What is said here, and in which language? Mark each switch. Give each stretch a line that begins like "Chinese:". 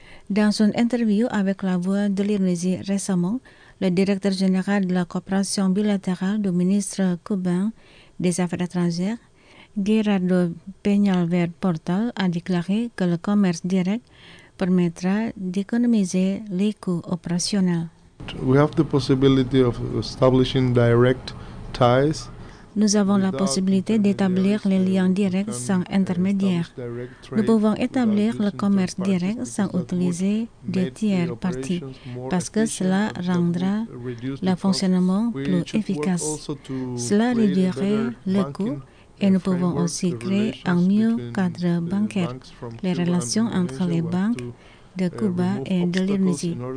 French: Dans une interview avec La Voix de l'Indonésie récemment, le directeur général de la coopération bilatérale du ministre cubain des Affaires étrangères, Gerardo Peñalver Portal, a déclaré que le commerce direct permettra d'économiser les coûts opérationnels.
English: We have the possibility of establishing direct ties.
French: Nous avons la possibilité d'établir les liens directs sans intermédiaire. Nous pouvons établir le commerce direct sans utiliser des tiers parties parce que cela rendra le fonctionnement plus efficace. Cela réduirait le coût et nous pouvons aussi créer un mieux cadre bancaire, les relations entre les banques de Cuba et de l'Indonésie.